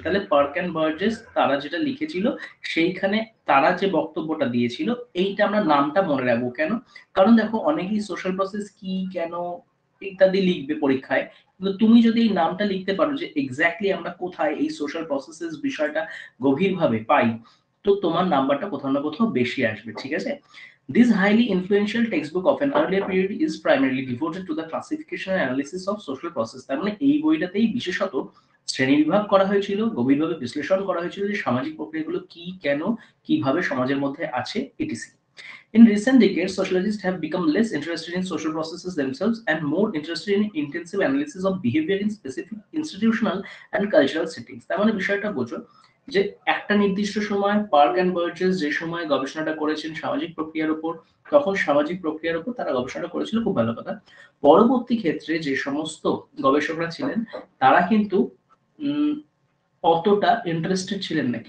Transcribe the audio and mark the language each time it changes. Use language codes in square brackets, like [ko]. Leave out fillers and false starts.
[bn] তাহলে park and Burgess, তারা যেটা লিখেছিল সেইখানে তারা যে বক্তব্যটা দিয়েছিল, এইটা আমরা নামটা মনে রাখবো কেন? কারণ দেখো, অনেকেই সোশ্যাল প্রসেস কি কেন ইত্যাদি লিখবে পরীক্ষায়, কিন্তু তুমি যদি এই নামটা লিখতে পারো যে এক্স্যাক্টলি আমরা কোথায় এই সোশ্যাল প্রসেসেস বিষয়টা গভীরভাবে পাই, তো তোমার নাম্বারটা কোথাও না কোথাও বেশি আসবে। ঠিক আছে, [en] This highly influential textbook of an earlier period is primarily devoted to the classification and analysis of social processes. [bn] তার মানে এই বইটাতেই বিশেষত শ্রেণীবিভাগ করা হয়েছিল, গভীরভাবে বিশ্লেষণ করা হয়েছিল যে সামাজিক প্রক্রিয়াগুলো কি, কেন, কিভাবে সমাজের মধ্যে আছে ইত্যাদি। [en] In recent decades, sociologists have become less interested in social processes themselves and more interested in intensive analysis of behavior in specific institutional and cultural settings. [bn] তার মানে বিষয়টা বোঝো, যে একটা নির্দিষ্ট সময় পার্ক অ্যান্ড বার্জেস যে সময় গবেষণাটা করেছেন সামাজিক প্রক্রিয়ার উপর, তখন সামাজিক প্রক্রিয়ার উপর তারা গবেষণাটা করেছিল, খুব ভালো কথা। পরবর্তী ক্ষেত্রে যে সমস্ত গবেষকরা ছিলেন তারা কিন্তু অতটা ইন্টারেস্টেড ছিলেন না।